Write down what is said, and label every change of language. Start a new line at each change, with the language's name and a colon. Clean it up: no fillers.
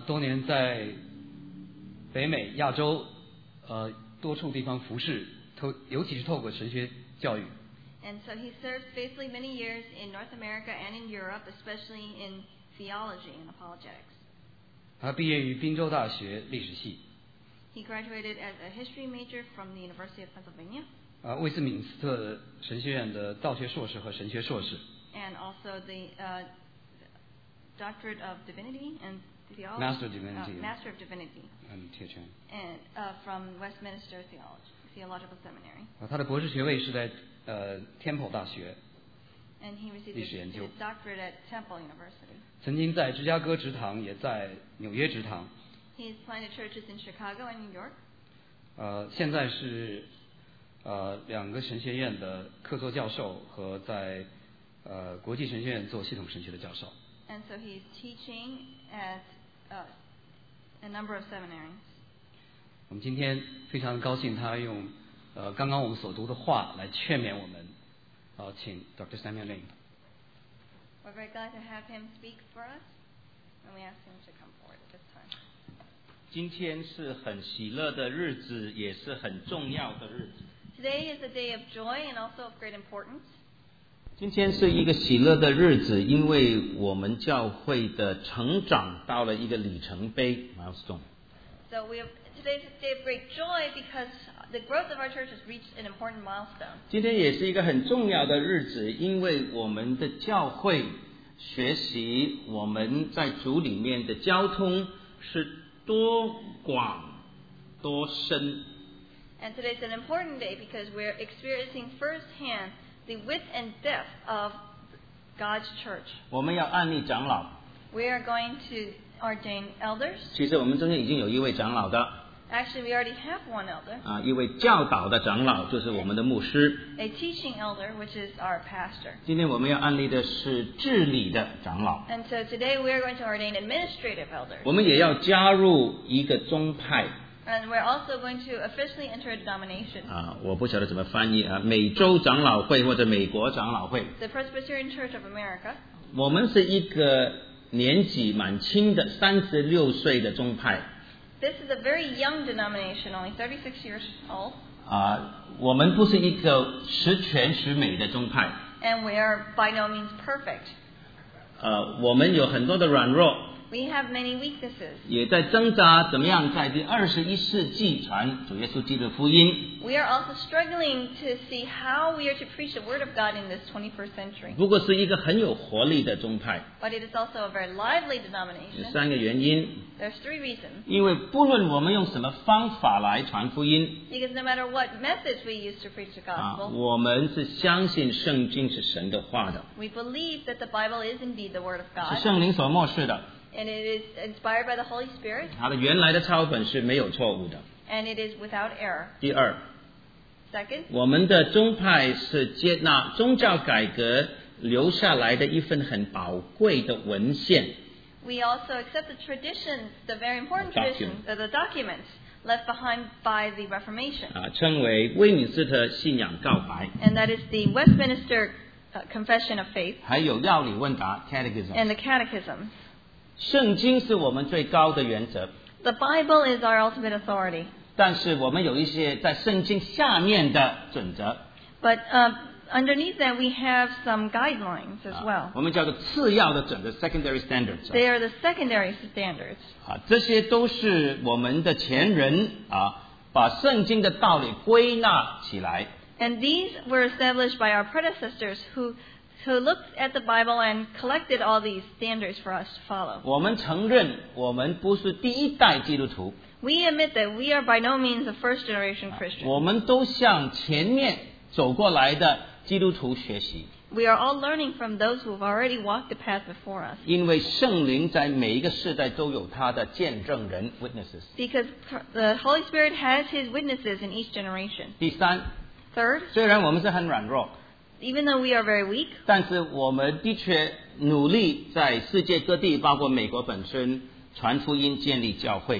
Chinese: 多年在北美、亚洲多处地方服侍。尤其是透过神学教育。
English: And so he served faithfully many years in North America and in Europe, especially in theology and apologetics.
Chinese: 他毕业于宾州大学历史系。
English: He graduated as a history major from the University of Pennsylvania.
Chinese: 威斯敏斯特神学院的道学硕士和神学硕士。
English: And also the doctorate of divinity and theology. Master of divinity. Master of divinity. And teaching. And from Westminster Theology. Theological Seminary.
Chinese: 他的博士学位是在天普大学
English: ，And he received
Chinese: 历史研究。
English: Doctorate at Temple University.
Chinese: 曾经在芝加哥职堂，也在纽约职堂。
English: He's planted churches in Chicago and New York.
Chinese: 现在是两个神学院的客座教授和在国际神学院做系统神学的教授。
English: And so he's teaching at a number of seminaries.
Chinese: 我们今天非常高兴他用刚刚我们所读的话来劝勉我们，请 Dr. Samuel Lin.
English: We're very glad to have him speak for us, and we ask him to come forward at this time.
Chinese: 今天是很喜乐的日子，也是很重要的日子。
English: Today is a day of joy and also of great importance.
Chinese: 今天是一个喜乐的日子，因为我们教会的成长到了一个里程碑 milestone.
English: So we have. Today is a day of great joy because the growth of our church has reached an important milestone.
Chinese: 今天也是一个很重要的日子，因为我们的教会学习我们在主里面的交通是多广多深。
English: And today is an important day because we're experiencing firsthand the width and depth of God's church.
Chinese: 我们要按立长老。
English: We are going to ordain elders.
Chinese: 其实我们中间已经有一位长老的。
English: Actually, we already have one elder.
Chinese: 啊，一位教导的长老就是我们的牧师。
English: A teaching elder, which is our pastor.
Chinese: 今天我们要按立的是治理的长老。
English: And so today we are going to ordain administrative elders.
Chinese: 我们也要加入一个宗派。
English: And we're also going to officially enter a denomination.
Chinese: 啊，我不晓得怎么翻译啊，美洲长老会或者美国长老会。
English: The Presbyterian Church of America.
Chinese: 我们是一个年纪蛮轻的36岁的宗派。
English: This is a very young denomination, only 36 years old.
Chinese: 啊，我们不是一个十全十美的宗派。
English: And we are by no means perfect.
Chinese: 我们有很多的软弱。
English: We have many weaknesses.
Chinese: 也在挣扎怎么样在第21世纪传主耶稣基督的福音。
English: We are also struggling to see how we are to preach the word of God in this 21st century.
Chinese: 不过是一个很有活力的宗派。
English: But it is also a very lively denomination.
Chinese: 有三个原因。
English: There's three reasons.
Chinese: 因为不论我们用什么方法来传福音。
English: Because no matter what methods we use to preach the gospel.
Chinese: 啊，我们是相信圣经是神的话的。
English: We believe that the Bible is indeed the word of God.
Chinese: 是圣灵所默示的。
English: And it is inspired by the Holy Spirit.
Chinese: 它的原来的抄本是没有错误的。
English: And it is without error.
Chinese: 第二。
English: Second.
Chinese: 我们的宗派是接纳宗教改革留下来的一份很宝贵的文献。
English: We also accept the traditions, the very important traditions, the documents left behind by the Reformation.
Chinese: 啊，称为威敏斯特信仰告白。
English: And that is the Westminster Confession of Faith.
Chinese: 还有要理问答 Catechism.
English: And the Catechism.
Chinese: 圣经是我们最高的原则。
English: The Bible is our ultimate authority.
Chinese: 但是我们有一些在圣经下面的准则。
English: But underneath that we have some guidelines as well.
Chinese: 我们叫做次要的准则 ,
English: secondary standards. They are the secondary standards.
Chinese: 啊，这些都是我们的前人啊，把圣经的道理归纳起来。
English: And these were established by our predecessors who looked at the Bible and collected all these standards for us to follow.
Chinese: 我们承认我们不是第一代基督徒。
English: We admit that we are by no means a first generation Christian.
Chinese: 我们都向前面走过来的基督徒学习。
English: We are all learning from those who have already walked the path before us.
Chinese: 因为圣灵在每一个世代都有他的见证人 witnesses.
English: Because the Holy Spirit has his witnesses in each generation.
Chinese: 第三。
English: Third.
Chinese: 虽然我们是很软弱。
English: Even though we are very weak,
Chinese: 但是我们的确努力在世界各地，包括美国本身，传福音，建立教会。